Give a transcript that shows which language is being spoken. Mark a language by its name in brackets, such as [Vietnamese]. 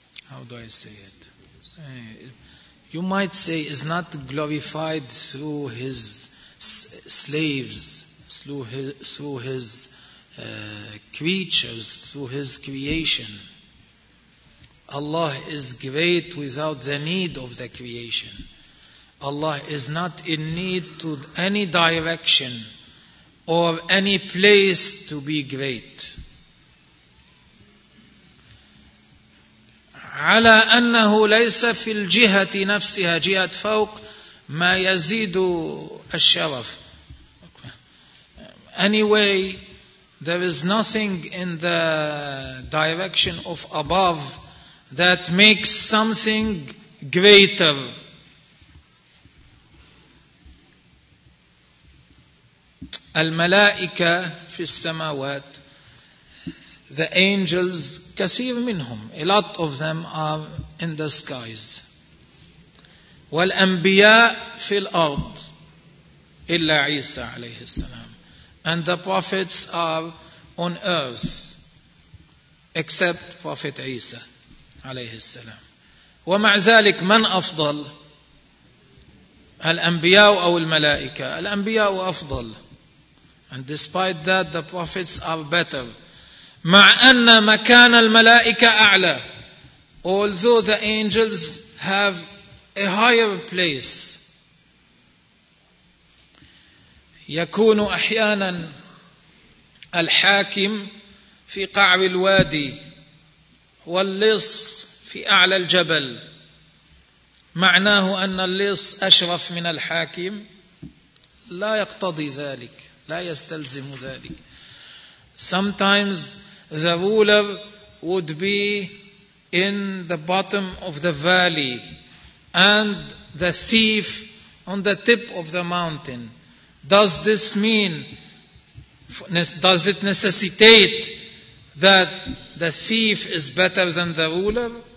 [English] How do I say it? You might say is not glorified through His slaves, through His creatures, through His creation. Allah is great without the need of the creation. Allah is not in need to any direction or any place to be great. [Arabic] على أنه ليس في الجهة نفسها جهة فوق ما يزيد الشرف. [English] Anyway, there is nothing in the direction of above that makes something greater. [Arabic] الملائكة في السماوات, [English] the angels, [Arabic] كثير منهم, [English] a lot of them are in the skies. [Arabic] والأنبياء في الأرض إلا عيسى عليه السلام. [English] And the prophets are on earth except Prophet عيسى [Arabic] عليه السلام. ومع ذلك من أفضل؟ الأنبياء أو الملائكة؟ الأنبياء أفضل. [English] And despite that, the prophets are better. [Arabic] مع أن مكان الملائكة أعلى. [English] Although the angels have a higher place. [Arabic] يكون أحيانا الحاكم في قعر الوادي واللص في أعلى الجبل. معناه أن اللص أشرف من الحاكم؟ لا يقتضي ذلك، لا يستلزم ذلك. [English] Sometimes the ruler would be in the bottom of the valley and the thief on the tip of the mountain. Does this mean, does it necessitate that the thief is better than the ruler?